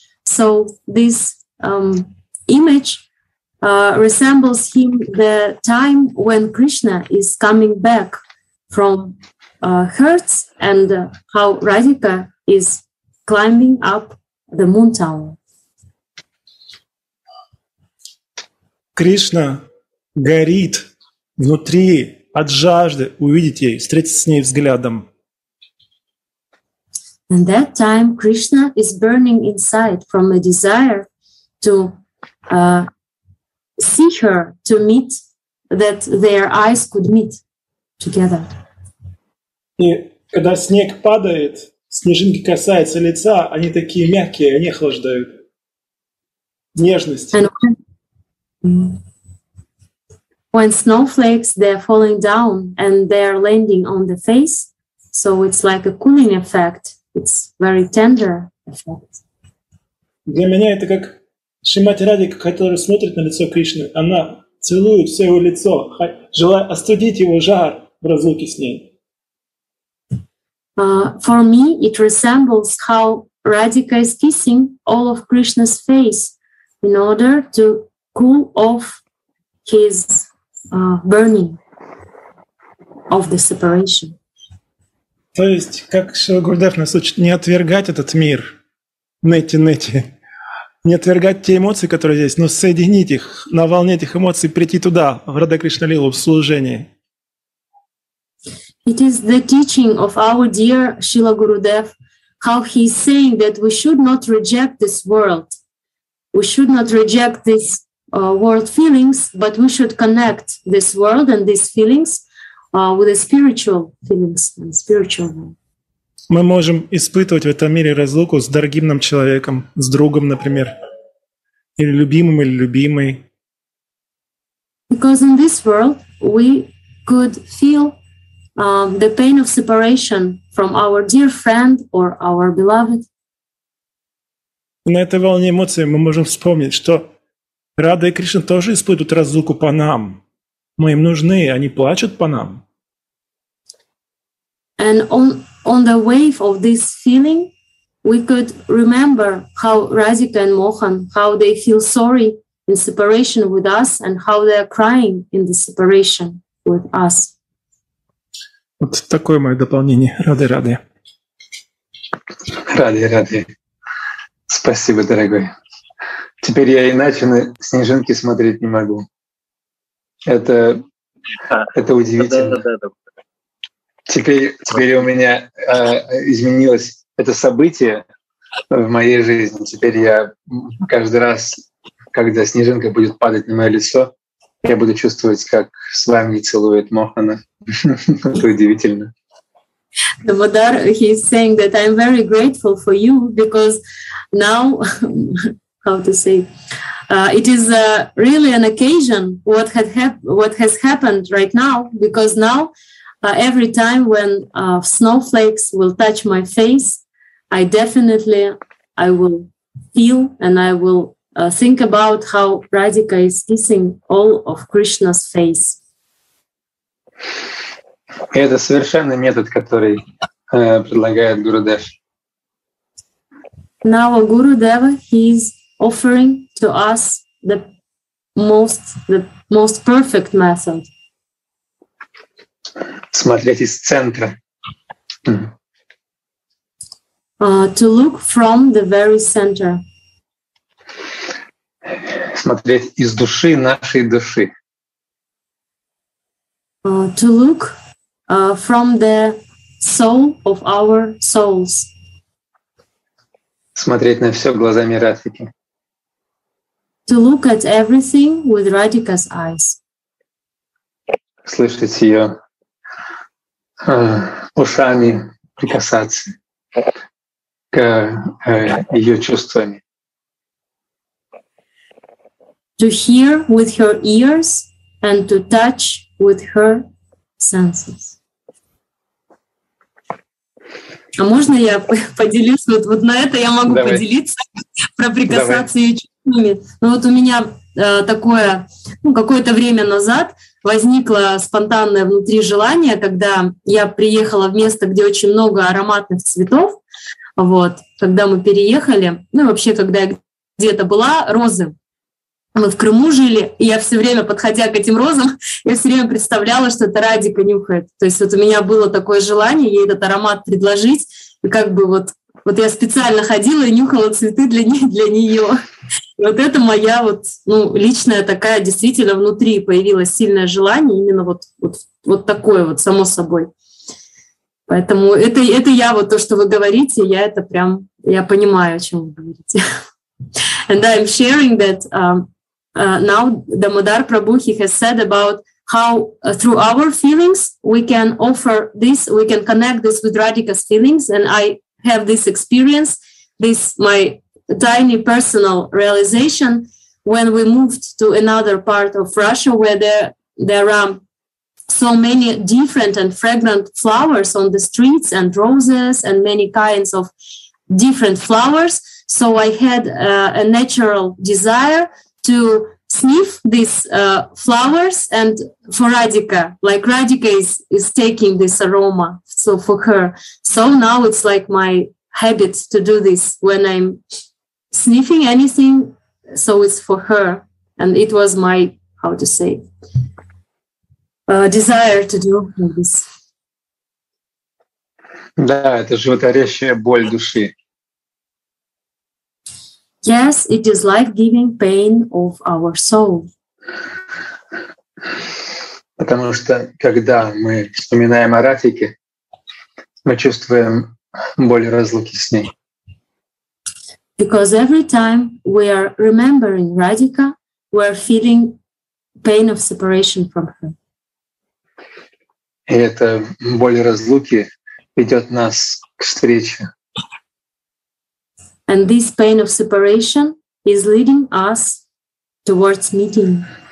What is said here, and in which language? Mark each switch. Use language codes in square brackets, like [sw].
[en] So this image resembles him the time when Krishna is coming back from Herz and how Radhika is climbing up the moon tower. [ru] Krishna горит внутри от жажды увидеть ей, встретиться с ней взглядом. [en] And that time Krishna is burning inside from a desire to see her, to meet, that their eyes could meet together. [ru] И когда снег падает, снежинки касаются лица, они такие мягкие, они охлаждают. Нежность. [en] When snowflakes, they're falling down and they're landing on the face, so it's like a cooling effect. It's very tender effect. [ru] Для меня это как Шримати Радика, которая смотрит на лицо Кришны, она целует все его лицо, желая остудить его жар в разлуке с ней. [en] For me, it resembles how Radhika is kissing all of Krishna's face in order to cool off his burning of the separation. [ru] То есть, как Шрила Гурудев нас учит, не отвергать этот мир, нети-нети, не отвергать те эмоции, которые здесь, но соединить их, на волне этих эмоций прийти туда, в Радха Кришна Лилу, в служение. [en] It is the teaching of our dear Shrila Gurudev, how he is saying that we should not reject this world, we should not reject this world feelings, but we should connect this world and these feelings with the spiritual feelings and spiritual world. [ru] Мы можем испытывать в этом мире разлуку с дорогим нам человеком, с другом, например, или любимым, или любимой. [en] Because in this world we could feel the pain of separation from our dear friend or our beloved. [ru] На этой волне эмоций мы можем вспомнить, что Радха и Кришна тоже испытывают разлуку по нам. Мы им нужны, они плачут по нам. [en] And on the wave of this feeling, we could remember how Radhika and Mohan, how they feel sorry in separation with us and how they are crying in the separation with us. [ru] Вот такое мое дополнение. Рады. Раде, раде. Спасибо, дорогой. Теперь я иначе на снежинки смотреть не могу. Это удивительно. Теперь у меня изменилось это событие в моей жизни. Теперь я каждый раз, когда снежинка будет падать на мое лицо, я буду чувствовать, как с вами целует Мохана. Это удивительно. [en] The Vodar, he is saying that I'm very grateful for you because now, how to say, it is really an occasion what has happened right now, because now every time when snowflakes will touch my face, I will feel and I will think about how Radhika is kissing all of Krishna's face. [ru] Это совершенный метод, который предлагает Гуру Дев. [en] Now Guru Deva, he is offering to us the most perfect method. [ru] Смотреть из центра. [en] To look from the very center. [ru] Смотреть из души нашей души. [en] To look from the soul of our souls. [ru] Смотреть на все глазами Радхики. [en] To look at everything with Radhika's eyes. [ru] Слышать ее ушами, прикасаться к ее чувствами. [en] To hear with her ears and to touch with her senses. [ru] А можно я поделюсь? Вот на это я могу Давай. Поделиться, про прикасаться ее чувствами. Ну вот у меня такое, ну, какое-то время назад возникло спонтанное внутри желание, когда я приехала в место, где очень много ароматных цветов, вот, когда мы переехали, ну и вообще, когда я где-то была, розы. Мы в Крыму жили, и я все время, подходя к этим розам, я все время представляла, что это Радика нюхает. То есть вот у меня было такое желание ей этот аромат предложить, и как бы вот я специально ходила и нюхала цветы для нее. И вот это моя вот, ну, личная такая, действительно, внутри появилось сильное желание, именно вот такое вот, само собой. Поэтому это я вот, то, что вы говорите, я это прям, я понимаю, о чем вы говорите. [en] And I'm sharing that now Damodar Prabhu, he has said about how through our feelings we can offer this, we can connect this with Radhika's feelings, and I have this experience, this my tiny personal realization when we moved to another part of Russia where there are so many different and fragrant flowers on the streets and roses and many kinds of different flowers. So I had a natural desire to sniff these flowers and for Radhika, like Radhika is taking this aroma, so for her. So now it's like my habit to do this when I'm sniffing anything, so it's for her. And it was my, how to say, desire to do this. [ru] Да, это животворящая боль души. [en] Yes, it is life-giving pain of our soul. [ru] Потому что когда мы вспоминаем о Радхике, мы чувствуем боль разлуки с ней. [en] Because every time we are remembering Radhika, we are feeling pain of separation from her. [ru] И эта боль разлуки ведет нас к встрече. [en] And this pain of separation is leading us towards meeting.